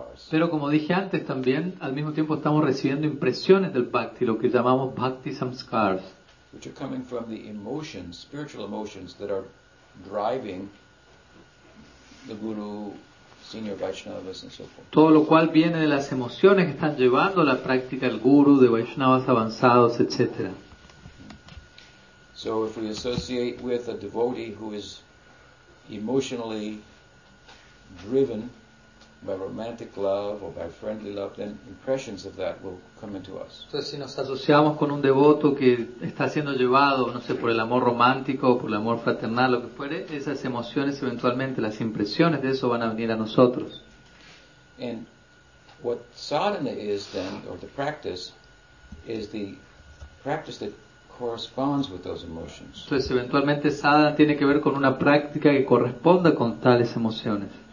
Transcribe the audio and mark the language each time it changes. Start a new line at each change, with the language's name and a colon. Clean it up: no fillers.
Spanish: Pero como dije antes también, al mismo tiempo estamos recibiendo impresiones del bhakti, lo que llamamos bhakti samskars.
English: Which are coming from the emotions, spiritual emotions that are driving the guru, senior Vaishnavas and so forth.
Spanish: Todo lo cual viene de las emociones que están llevando la práctica del guru, de Vaishnavas avanzados, etc.
English: So if we associate with a devotee who is emotionally driven by romantic love or by friendly love, then impressions of that will come into us.
Spanish: Entonces, si nos asociamos con un devoto que está siendo llevado, no sé, por el amor romántico o por el amor fraternal, lo que fuere, esas emociones eventualmente, las impresiones de eso van a venir a nosotros.
English: And what sadhana is then, or the practice, is the practice that corresponds with those emotions.
Spanish: Entonces, eventualmente, sadhana tiene que ver con una práctica que corresponda con tales emociones.